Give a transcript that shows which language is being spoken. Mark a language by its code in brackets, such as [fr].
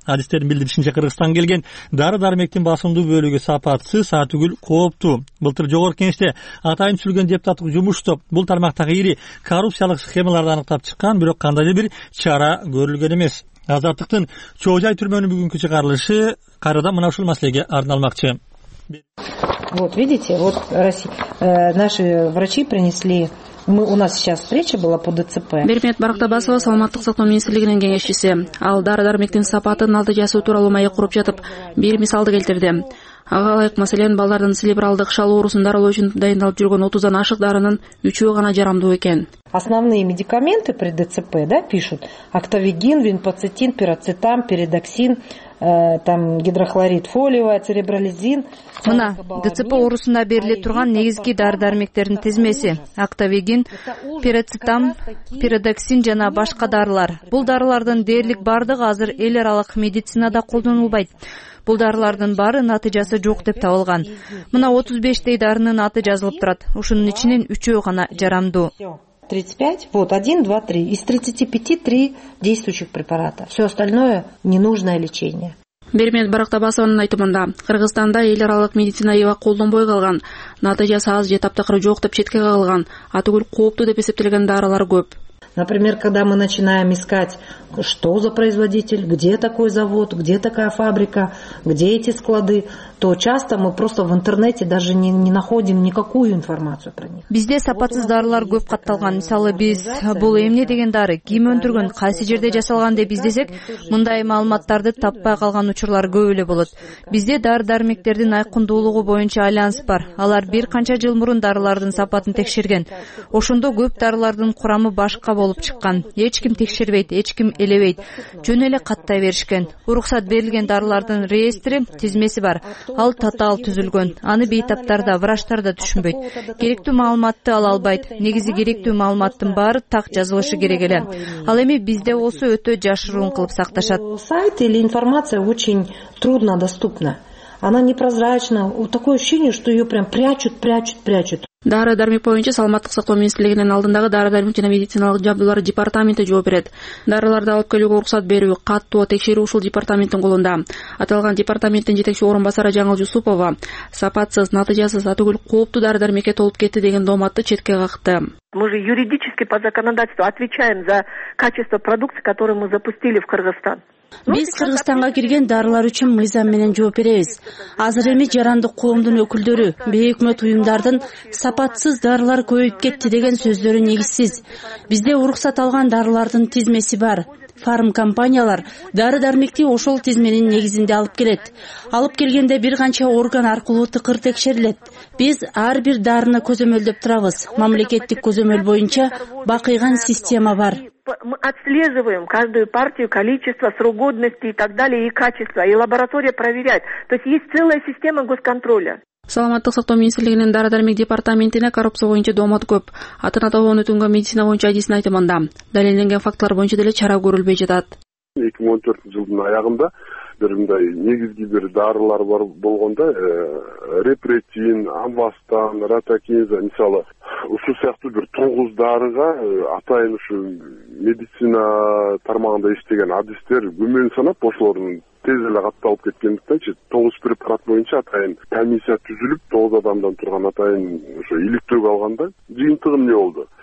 [ky] Адистердин билдиришинче Кыргызстан келген дары дармектин басымдуу бөлүгү сапатсыз, атүгүл кооптуу. Былтыр жогорку кеңеште атайын түзүлгөн депутаттык жумуш топ бул тармактагы ири коррупциялык схемаларды аныктап чыккан, бирок кандайдыр бир чара көрүлгөн эмес. Азаттыктын Чоожай түрмөнүн бүгүнкү чыгарылышы кайрадан мына ушул маселеге арналмакчы. [ru] Вот видите, вот Россия, наши врачи принесли. Мы, у нас сейчас встреча была по ДЦП. [ky] Бермет Барктабасова саламаттык сактоо министрлигинин кеңешчиси. Ал дары-дармектин сапатын алды жасуу тууралуу маек куруп жатып, бир мисалды келтирди. Ага ылайык, маселен, балдардын селебралдык шал оорусун дарылоо үчүн дайындалып жүргөн 30дан ашык дарынын 3 гана жарамдуу экен. [ru] Основные медикаменты при ДЦП, да, пишут: октавигин, винпоцетин, пироцетам, пиридоксин. Там гидрохлорид фолиевая церебрализин. [ky] Мына ДЦП оорусунда бериле турган негизги дары-дармектердин тизмеси: октавигин, пироцетам, пиридоксин жана башка дарылар. Бул дарылардын дээрлик бардыгы азыр эл аралык медицинада колдонулбайт. Бул дарылардын баары натыйжасы жок деп табылган. Мына 35 дарынын аты жазылып турат. Ушунун ичинен 3 гана жарамдуу. [ru] 35, вот, 1, 2, 3. Из 35, 3 действующих препарата. Все остальное – ненужное лечение. [ky] Бермет Барактабасованын айтымында, Кыргызстанда эл аралык медицина ИВА колдонбой калган, натыйжасы аз же таптакыр жок деп четке кагылган, атүгүл кооптуу деп эсептелген дарылар көп. [ru] Например, когда мы начинаем искать, что за производитель, где такой завод, где такая фабрика, где эти склады, то часто мы просто в интернете даже не находим никакую информацию про них. [ky] Бизде сапатсыз дарылар көп катталган. Мисалы, биз бул эмне деген дары, ким өндүргөн, кайсы жерде жасалган деп издесек, мындай маалыматтарды таппай калган учурлар көп эле болот. Бизде дары-дармектердин айкындуулугу боюнча альянс бар. Алар бир канча жыл мурун дарылардын сапатын текшерген. Ошондо көп дарылардын курамы башка болуп чыккан. Эч ким текшербейт, эч ким элебейт. Жөн эле каттай беришкен. Уруксат берилген дарылардын реестри, тизмеси бар. Ал татаал түзүлгөн. Аны бейтаптар да, врачтар да түшүнбөйт. Керектүү маалыматты ала албайт. Негизи керектүү маалыматтын баары так жазылышы керек эле. Ал эми бизде болсо өтө жашыруун кылып сакташат. [ru] Сайт или информация очень трудно доступна. Она непрозрачна. Вот такое ощущение, что ее прям прячут. [ky] Дары дармек боюнча саламаттык сактоо министрлигинин алдындагы дары дармек жана медициналык жабдуулар департаменти жооп берет. Дарыларды алып келүүгө уруксат берүү, каттоо, текшерүү ушул департаменттин колунда. Аталган департаменттин жетекчи орун басары Жаңыл Жусупова сапатсыз, натыйжасыз, атүгүл кооптуу дары дармекке толуп кетти деген дооматты четке какты. [ru] Мы же юридически по законодательству отвечаем за качество продукции, которую мы запустили в Кыргызстан. [ky] Биз Кыргызстанга кирген дарылар үчүн мыйзам менен жооп беребиз. Азыр эми жарандык коомдун өкүлдөрү, бейөкмөт уюмдардын сапатсыз дарылар көбөйүп кетти деген сөздөрү негизсиз. Бизде уруксат алган дарылардын тизмеси бар. Фармкомпаниялар дары-дармекти ошол тизменин негизинде алып келет. Алып келгенде бир канча орган аркылуу тыкыр текшерилет. Биз ар бир дарыны көзөмөлдөп турабыз. Мамлекеттик көзөмөл боюнча бакыйган система бар. [ru] Мы отслеживаем каждую партию, количество, срок годности и так далее, и качество, и лаборатория проверяет. То есть есть целая система госконтроля. [ky] Саламаттык сактоо министрлигинин дары-дармек департаментине коррупция боюнча доомат көп. Атын аталган өтүнгөн медицина боюнча адисин айтым анда. Далилденген фактылар боюнча деле чара көрүлбөй жатат. 2014 жылдын аягында бир мындай негизги бир дарылар бар болгондо репретин, амбастан, ратакинза мисалы ушул сыяктуу бир 9 дарыга атайын ушул медицина тармагында иштеген адистер күмөн санап ошолордун тез эле катталып кеткендиктенчи 9 препарат боюнча атайын комиссия түзүлүп 9 адамдан турган атайын ошо иликтөөгө алганда жыйынтыгы эмне болду?